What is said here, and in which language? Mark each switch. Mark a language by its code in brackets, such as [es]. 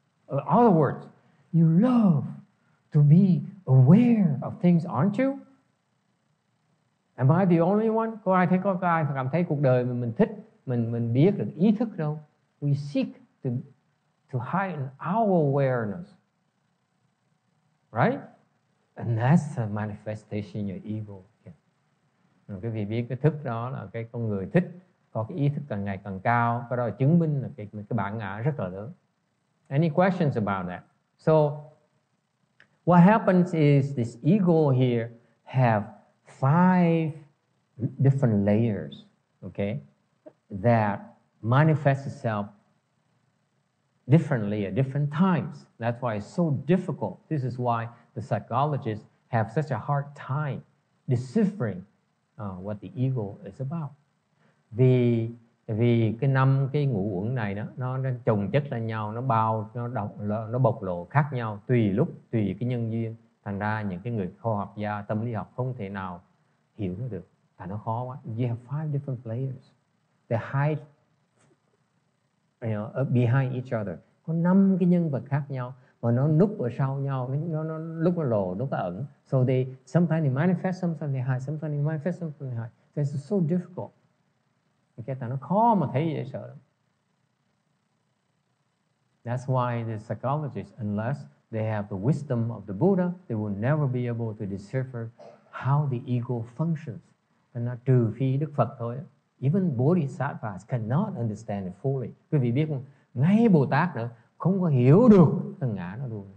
[en] In other words, you love to be aware of things, aren't you? Am I the only one? [vi] Có ai cảm thấy cuộc đời mình thích, mình biết được ý thức đâu? [en] We seek to heighten our awareness, right? And that's the manifestation of your ego. Yeah. [vi] Quý vị biết cái thức đó là cái con người thích. Có cái ý thức càng ngày càng cao, cái đó là chứng minh là cái bản ngã rất là lớn. [en] Any questions about that? So, what happens is this ego here have five different layers, okay, that manifest itself differently at different times. That's why it's so difficult. This is why the psychologists have such a hard time deciphering what the ego is about. [vi] Vì vì cái năm cái ngũ uẩn này đó, nó chồng chất lên nhau, nó bao nó độc nó bộc lộ khác nhau tùy lúc, tùy cái nhân duyên. Thành ra những cái người khoa học gia tâm lý học không thể nào hiểu nó được. Tại nó khó quá. [en] You have five different layers. They hide behind each other. [vi] Có năm cái nhân vật khác nhau mà nó núp ở sau nhau, nó lúc nó lộ, lúc nó ẩn. [en] So they sometimes they manifest, sometimes they hide, sometimes they manifest, sometimes they hide. So it's so difficult. [vi] Okay, tại nó khó mà thấy dễ sợ lắm. [en] That's why the psychologists, unless they have the wisdom of the Buddha, they will never be able to decipher how the ego functions. [vi] Và nó trừ phi Đức Phật thôi. [en] Even Bodhisattvas cannot understand it fully. [vi] Quý vị biết không? Ngay Bồ Tát nữa không có hiểu được tầng ngã nó luôn.